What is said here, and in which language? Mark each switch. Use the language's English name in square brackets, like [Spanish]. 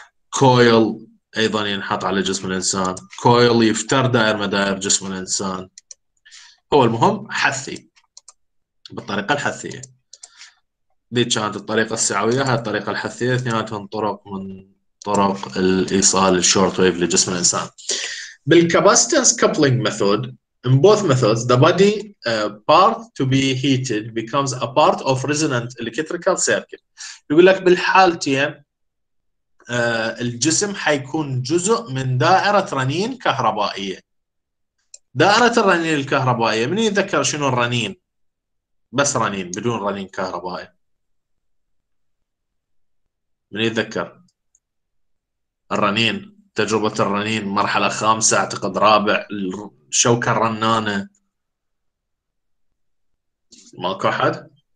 [Arabic] كويل ايضا ينحط على جسم الانسان، كويل يفتر دائر مدائر جسم الانسان. هو المهم حثي بالطريقة الحثية. دي كانت الطريقة السعوية، هاي الطريقة الحثية، اثنيناتهم طرق من طرق الايصال الشورت ويف لجسم الانسان. بالكاباستنس كابلينج ميثود، [English] in both methods the body part to be heated becomes a part of resonant electrical circuit. [Arabic] يقول لك بالحالتين الجسم حيكون جزء من دائرة رنين كهربائية. دائرة الرنين الكهربائية، من يتذكر شنو الرنين؟ بس رنين بدون رنين كهربائي، من يتذكر الرنين؟ تجربة الرنين مرحلة خامسة اعتقد، رابع، الشوكة الرنانة، ماكو احد؟